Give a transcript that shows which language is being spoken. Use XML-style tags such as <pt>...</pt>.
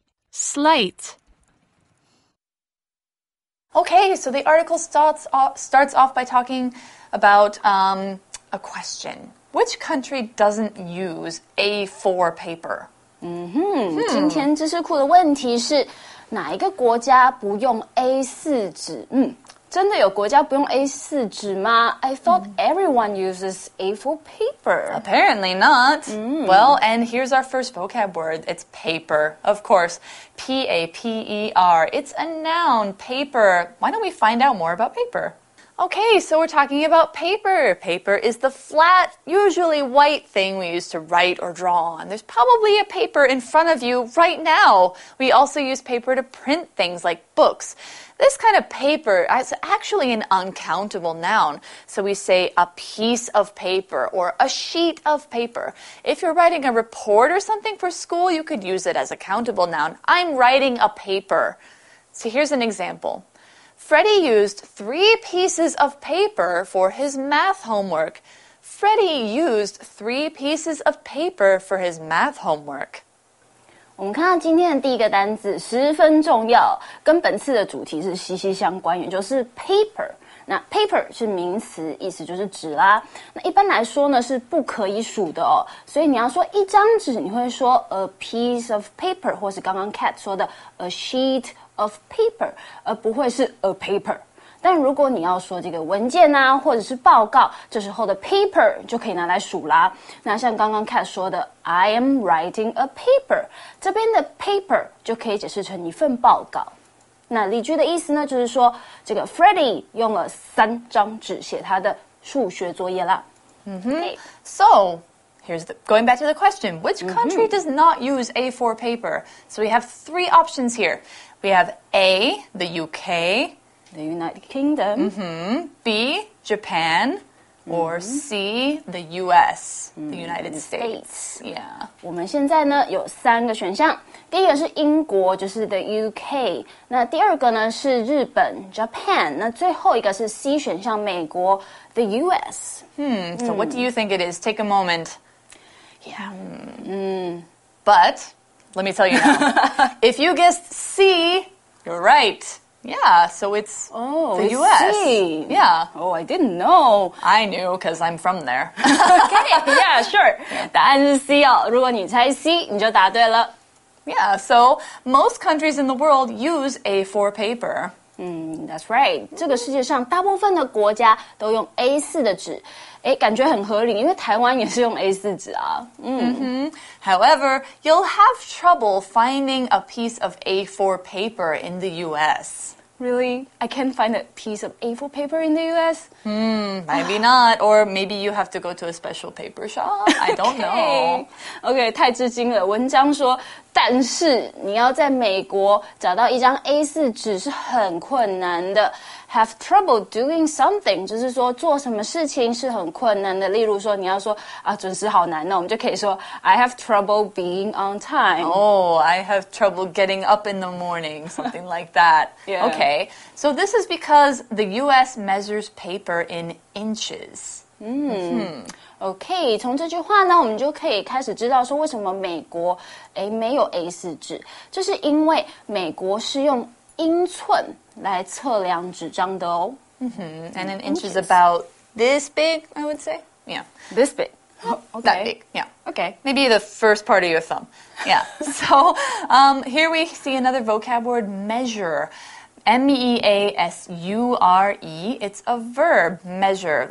<en>Slight. Okay, so the article starts off by talking about、a question. Which country doesn't use A4 paper? Mm-hmm.</en> <zh>今天知识库的问题是哪一个国家不用 A4 纸、真的有国家不用 A4 纸吗?</zh> <en>I thought everyone uses A4 paper. Apparently not. Well, and here's our first vocab word. It's paper, of course. P-A-P-E-R. It's a noun, paper. Why don't we find out more about paper? Okay, so we're talking about paper. Paper is the flat, usually white thing we use to write or draw on. There's probably a paper in front of you right now. We also use paper to print things like books. This kind of paper is actually an uncountable noun. So we say a piece of paper or a sheet of paper. If you're writing a report or something for school, you could use it as a countable noun. I'm writing a paper. So here's an example. Freddie used 3 pieces of paper for his math homework. Freddie used 3 pieces of paper for his math homework.</en> <zh>我们看到今天的第一个单字十分重要，跟本次的主题是息息相关，也就是 paper。那 paper 是名词，意思就是纸啦。那一般来说呢，是不可以数的哦。所以你要说一张纸，你会说</zh> <en>a piece of paper，</en> <zh>或是刚刚 Cat 说的</zh> <en>a sheet of paper，</en> <zh>而不会是</zh> <en>a paper。</en> <zh>但如果你要说这个文件啊，或者是报告，这时候的 paper 就可以拿来数啦。那像刚刚 Cat 说的 ，</zh> <en>I am writing a paper，</en> <zh>这边的 paper 就可以解释成一份报告。那例句的意思呢，就是说这个 Freddie 用了3张纸写他的数学作业啦。</zh> <en>So here's going back to the question: Which country does not use A4 paper? So we have 3 options here. We have A, the UK, the United Kingdom. B, Japan, or C, the US, the United States. Yeah.</en> <zh>我们现在呢有三个选项。第一个是英国，就是 the UK， 那第二个呢是日本 Japan， 那最后一个是 C 选项美国 the US。</zh> <en>So what do you think it is? Take a moment. Yeah. But let me tell you now. If you guessed C, you're right. Yeah, so it's the US. C. Yeah. Oh, I didn't know. I knew because I'm from there. Okay, yeah, sure. Yeah.</en> <zh>答案是 C 哦，如果你猜 C， 你就答对了。</zh> <en>Yeah, so most countries in the world use A4 paper. That's right.</en> <zh>这个世界上大部分的国家都用 A4 的纸。诶，感觉很合理，因为台湾也是用 A4 纸啊。</zh> <en>However, you'll have trouble finding a piece of A4 paper in the US. Really? I can't find a piece of A4 paper in the US? Maybe not. Or maybe you have to go to a special paper shop. I don't know. Okay,</en> <zh>太吃惊了。文章说但是你要在美国找到一张 A4 纸是很困难的。</zh> <en>Have trouble doing something，</en> <zh>就是说做什么事情是很困难的。例如说你要说啊准时好难，那我们就可以说</zh> <en>I have trouble being on time. Oh, I have trouble getting up in the morning, something like that. Yeah. Okay, so this is because the US measures paper in inches. OK,</en> <zh>从这句话呢我们就可以开始知道说为什么美国没有 A4 纸。这是因为美国是用英寸来测量纸张的哦。</zh> <en>And an inch is about this big, I would say. Yeah. This big. That big. Yeah. Okay. Maybe the first part of your thumb. Yeah. So, here we see another vocab word, measure. M-E-A-S-U-R-E. It's a verb, measure.</en>